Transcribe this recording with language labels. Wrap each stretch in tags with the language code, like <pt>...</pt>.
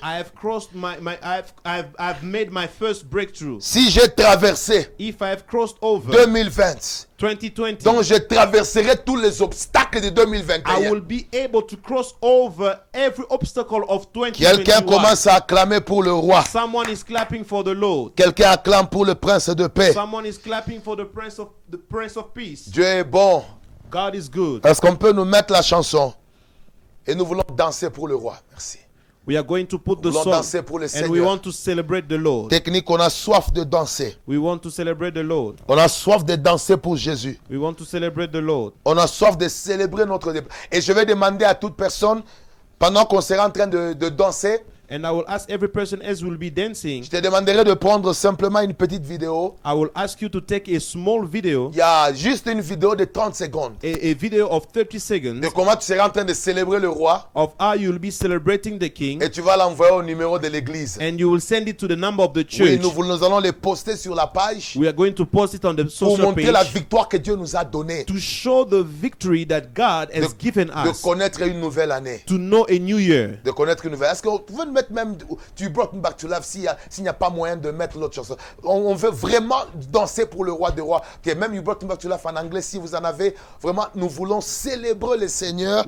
<en>I have crossed I've made my first breakthrough.</en> <fr>Si j'ai traversé.</fr> <en>If I have crossed over.</en> <fr>2020.</fr> <en>2020.</en> <fr>Donc je traverserai tous les obstacles de 2021.</fr> <en>I will be able to cross over every obstacle of 2021.</en> <fr>Quelqu'un commence à acclamer pour le roi.</fr> <en>Someone is clapping for the Lord.</en> <fr>Quelqu'un acclame pour le prince de paix.</fr> <en>Someone is clapping for the prince of peace.</en> <fr>Dieu est bon.</fr> <en>God is good.</en> <fr>Est-ce qu'on peut nous mettre la chanson? Et nous voulons danser pour le roi. Merci.</fr> <en>We are going to put the song.</en> <fr>Nous voulons danser pour le Seigneur.</fr> <en>And we want to celebrate the Lord.</en> <fr>Technique, on a soif de danser.</fr> <en>We want to celebrate the Lord.</en> <fr>On a soif de danser pour Jésus.</fr> <en>We want to celebrate the Lord.</en> <fr>On a soif de célébrer notre départ. Et je vais demander à toute personne pendant qu'on sera en train de danser.</fr> <en>And I will ask every person as we'll be dancing.</en> <fr>Je te demanderai de prendre simplement une petite vidéo.</fr> <en>I will ask you to take a small video.</en> <fr>Yeah, juste une vidéo de 30 secondes.</fr> <en>A video of 30 seconds.</en> <fr>De comment tu seras en train de célébrer le roi.</fr> <en>Of how you'll be celebrating the king.</en> <fr>Et tu vas l'envoyer au numéro de l'église.</fr> <en>And you will send it to the number of the church.</en> <fr>Oui, nous allons le poster sur la page.</fr> <en>We are going to post it on the social page.</en> <fr>Pour montrer la victoire que Dieu nous a donnée.</fr> <en>To show the victory that God has given us.</en> <fr>De connaître une nouvelle année.</fr> <en>To know a new year.</en> <fr>De connaître une nouvelle. Est-ce que vous pouvez même tu</fr> <en>brought me back to life</en> <fr>s'il n'y a pas moyen de mettre l'autre chose. On veut vraiment danser pour le roi des rois. Okay, même</fr> <en>you brought me back to life</en> <fr>en anglais, si vous en avez vraiment, nous voulons célébrer le Seigneur.</fr>